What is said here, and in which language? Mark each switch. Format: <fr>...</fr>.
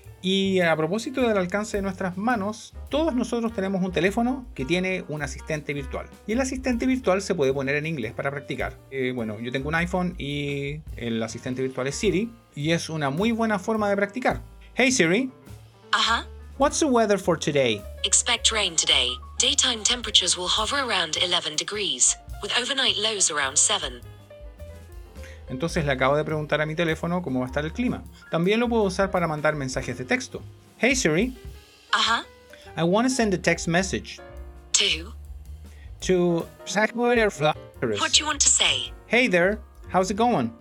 <es>Y a propósito del alcance de nuestras manos, todos nosotros tenemos un teléfono que tiene un asistente virtual. Y el asistente virtual se puede poner en inglés para practicar. Yo tengo un iPhone y el asistente virtual es Siri. Y es una muy buena forma de practicar.</es> <en>Hey Siri. Ajá. What's the weather for today? Expect rain today. Daytime temperatures will hover around 11 degrees, with overnight lows around 7.</en> <es>Entonces le acabo de preguntar a mi teléfono cómo va a estar el clima. También lo puedo usar para mandar mensajes de texto.</es> <en>Hey Siri. Ajá. I want to send a text message. To? To Sackboy or Flowers. What do you want to say? Hey there, how's it going?</en>